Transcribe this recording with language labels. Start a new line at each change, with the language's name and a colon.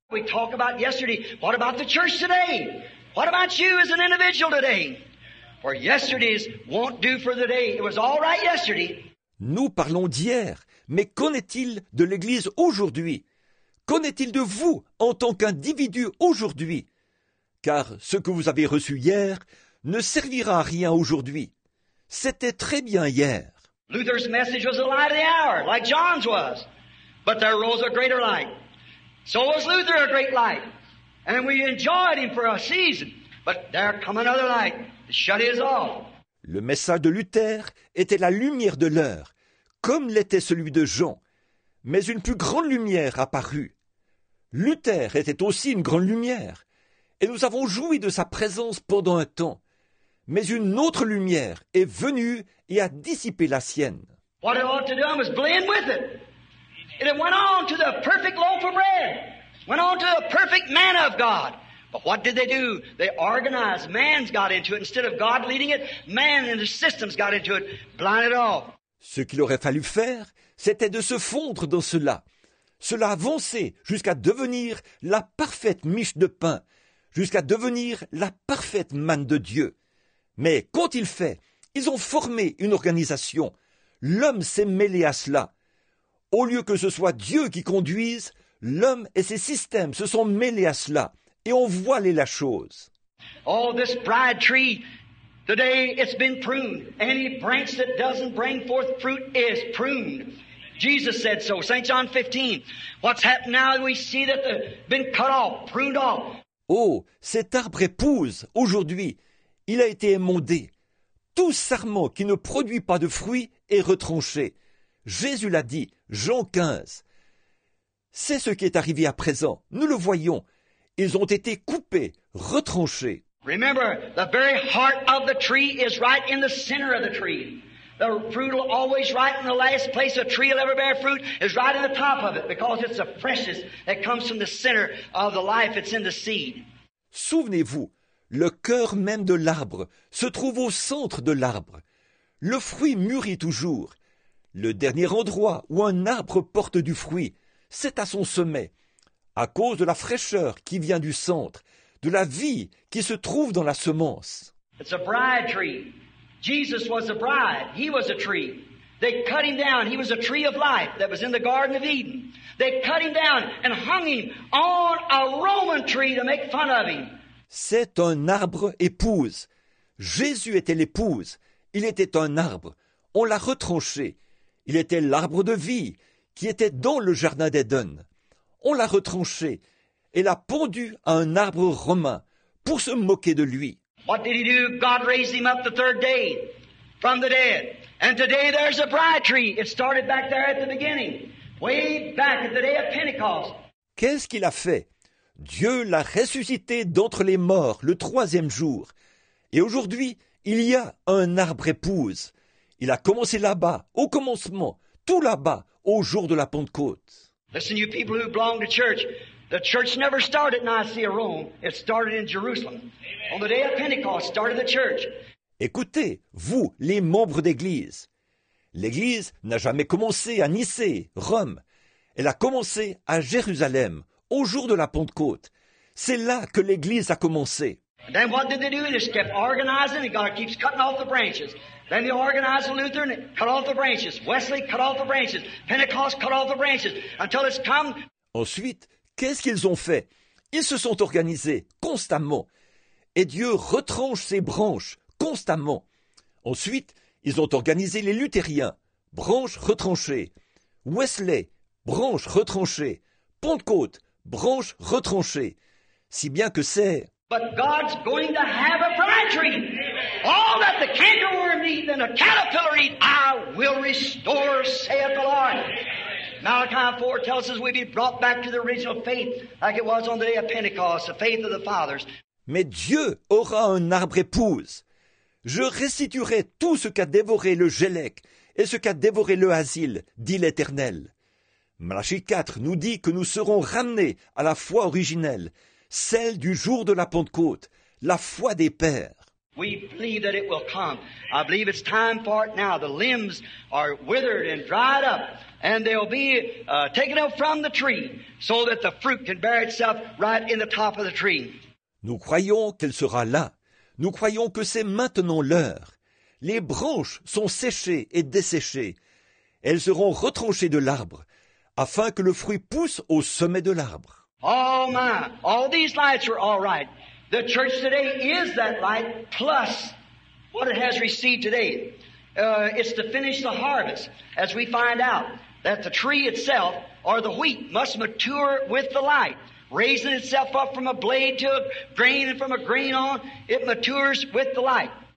English: We talk about yesterday. What about the church today? What about you as an individual today? For yesterday's won't do for the day. It was all right yesterday.
French: Nous parlons d'hier, mais qu'en est-il de l'Église aujourd'hui? Qu'en est-il de vous en tant qu'individu aujourd'hui? Car ce que vous avez reçu hier ne servira à rien aujourd'hui. C'était très bien hier.
English: Luther's message was the light of the hour, like John's was. But there rose a greater light. So was Luther a great light. And we enjoyed him for a season. But there come another light. Shut his off.
French: Le message de Luther était la lumière de l'heure, comme l'était celui de Jean. Mais une plus grande lumière apparut. Luther était aussi une grande lumière. Et nous avons joui de sa présence pendant un temps. Mais une autre lumière est venue et a dissipé la sienne.
English: What I ought to do is blend with it. And it went on to the perfect loaf of bread. Went on to the perfect manna of God. But what did they do? They organized. Man's got into it. Instead of God leading it, man and the systems got into it. Blind it all.
French: Ce qu'il aurait fallu faire, c'était de se fondre dans cela. Cela avançait jusqu'à devenir la parfaite miche de pain. Jusqu'à devenir la parfaite manne de Dieu. Mais qu'ont-ils fait? Ils ont formé une organisation. L'homme s'est mêlé à cela. Au lieu que ce soit Dieu qui conduise, l'homme et ses systèmes se sont mêlés à cela. Et ont voilé la chose.
English: Oh, this bride tree, today it's been pruned. Any branch that doesn't bring forth fruit is pruned. Jesus said so, St. John 15. What's happened now, we see that they've been cut off, pruned off.
French: Oh, cet arbre épouse aujourd'hui. Il a été émondé. Tout sarment qui ne produit pas de fruits est retranché. Jésus l'a dit, Jean 15. C'est ce qui est arrivé à présent. Nous le voyons. Ils ont été coupés, retranchés.
English: Remember, the very heart of the tree is right in the center of the tree. The fruit will always right in the last place a tree will ever bear fruit is right in the top of it because it's the freshest that comes from the center of the life. It's in the seed.
French: Souvenez-vous, le cœur même de l'arbre se trouve au centre de l'arbre. Le fruit mûrit toujours. Le dernier endroit où un arbre porte du fruit, c'est à son sommet, à cause de la fraîcheur qui vient du centre, de la vie qui se trouve dans la semence.
English: It's a bride tree. Jesus was a bride. He was a tree. They cut him down. He was a tree of life that was in the Garden of Eden. They cut him down and hung him on a Roman tree to make fun of him.
French: C'est un arbre épouse. Jésus était l'épouse. Il était un arbre. On l'a retranché. Il était l'arbre de vie qui était dans le jardin d'Éden. On l'a retranché et l'a pendu à un arbre romain pour se moquer de lui.
English: What did he do? God raised him up the third day from the dead. And today there's a bride tree. It started back there at the beginning, way back at the day of Pentecost.
French: Qu'est-ce qu'il a fait? Dieu l'a ressuscité d'entre les morts le troisième jour. Et aujourd'hui, il y a un arbre épouse. Il a commencé là-bas, au commencement, tout là-bas, au jour de la Pentecôte.
English: Listen, you people who belong to church. The church never started in Nicaea, Rome. It started in Jerusalem. On the day of Pentecost, started the church.
French: Écoutez, vous, les membres d'Église. L'Église n'a jamais commencé à Nicée, Rome. Elle a commencé à Jérusalem, au jour de la Pentecôte. C'est là que l'Église a commencé.
English: And then what did they do? They just kept organizing, and God keeps cutting off the branches. Then they organized the Lutheran, cut off the branches. Wesley cut off the branches. Pentecost cut off the branches. Until it's come.
French: Ensuite, qu'est-ce qu'ils ont fait? Ils se sont organisés constamment. Et Dieu retranche ses branches constamment. Ensuite, ils ont organisé les luthériens, branches retranchées. Wesley, branches retranchées. Pentecôte, branches retranchées. Si bien que c'est...
English: But God's going to have a bride tree. All that the cankerworm eat and the caterpillar eat, I will restore, saith the Lord. Malachi 4 tells us we'd be brought back to the original faith like it was on the day of Pentecost, the faith of the fathers.
French: Mais Dieu aura un arbre épouse. Je restituerai tout ce qu'a dévoré le Gélec et ce qu'a dévoré le Hazil, dit l'Éternel. Malachi 4 nous dit que nous serons ramenés à la foi originelle, celle du jour de la Pentecôte, la foi des pères.
English: We believe that it will come. I believe it's time for it now. The limbs are withered and dried up, and they'll be taken up from the tree so that the fruit can bear itself right in the top of the tree.
French: Nous croyons qu'elle sera là. Nous croyons que c'est maintenant l'heure. Les branches sont séchées et desséchées. Elles seront retranchées de l'arbre afin que le fruit pousse au sommet de l'arbre.
English: Oh my, all these lights are all right. The church today is that light plus what it has received today. It's to finish the harvest, as we find out that the tree itself or the wheat must mature with the light, raising itself up from a blade to a grain and from a grain on, it matures with the light.